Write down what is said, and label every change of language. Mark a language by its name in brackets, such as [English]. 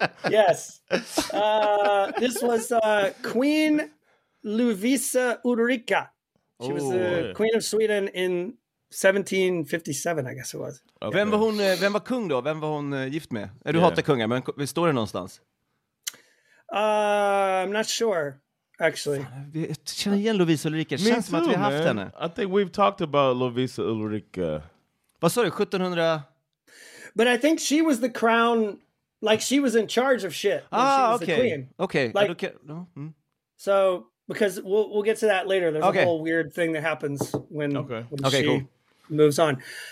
[English] Yes. This was Queen Lovisa Ulrika. She was the Queen of Sweden in 1757, I guess it was. [Swedish] Okay. Vem var kung då? Vem var hon gift med? Du hatar kungar, men står det någonstans? [English] I'm not sure, actually. [Swedish] Jag känner igen Lovisa Ulrika. Det känns som att vi har haft henne. [English] I think we've talked about Lovisa Ulrika. [Swedish] Vad sa du? 1700? [English] But I think she was the crown, like she was in charge of shit. Ah, she was okay. The queen. Okay. Like, so... Because we'll get to that later. There's a whole weird thing that happens when she moves on.